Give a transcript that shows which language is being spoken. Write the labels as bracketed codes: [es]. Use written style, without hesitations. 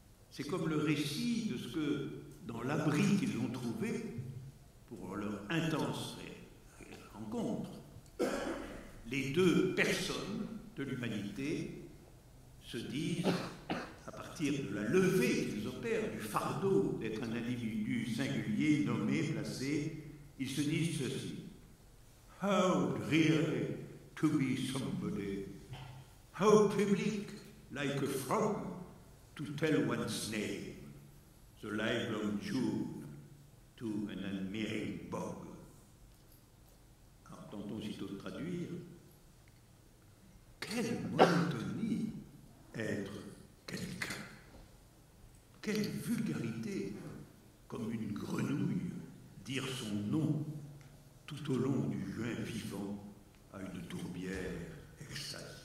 [fr] C'est comme le récit de ce que, dans l'abri qu'ils ont trouvé, pour leur intense rencontre, les deux personnes de l'humanité se disent, à partir de la levée qu'ils opèrent, du fardeau d'être un individu singulier, nommé, placé, ils se disent ceci. [en] How dreary to be somebody! How public, like a frog, to tell one's name, the livelong June to an admiring bog. [fr] Alors, tentons aussitôt de traduire. Quelle monotonie être quelqu'un! Quelle vulgarité, comme une grenouille, dire son nom tout au long du juin vivant à une tourbière extasiée.